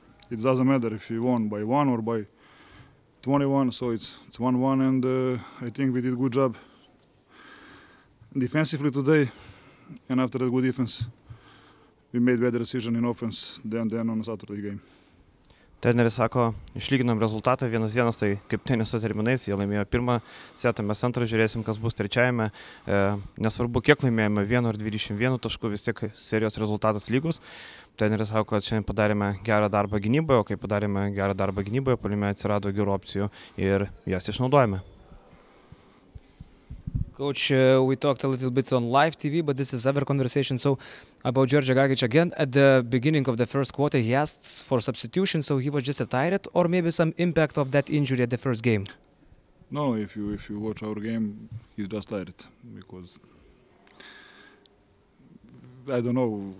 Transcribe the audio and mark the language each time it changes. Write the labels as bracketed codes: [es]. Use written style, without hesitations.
[en] It doesn't matter if you won by one or by 21, so it's 1-1, and I think we did a good job defensively today, and after a good defense, we made better decision in offense than on Saturday game. [lt] Treneris sako, išlyginam rezultatą 1-1, tai kaip teniso terminais, jie laimėjo pirmą setą, mes antrą žiūrėsim, kas bus trečiajame. Nesvarbu, kiek laimėjome, 1 ar 21 taškų, vis tiek serijos rezultatas lygus. Treneris sako, kad šiandien padarėme gerą darbą gynyboje, o kai padarėme gerą darbą gynyboje, puolime atsirado gerų opcijų ir jas išnaudojame. [en] Coach, we talked a little bit on live TV, but this is our conversation. So, about Georgia Gagic again, at the beginning of the first quarter, he asks for substitution. So he was just tired, or maybe some impact of that injury at the first game. No, if you watch our game, he's just tired because I don't know.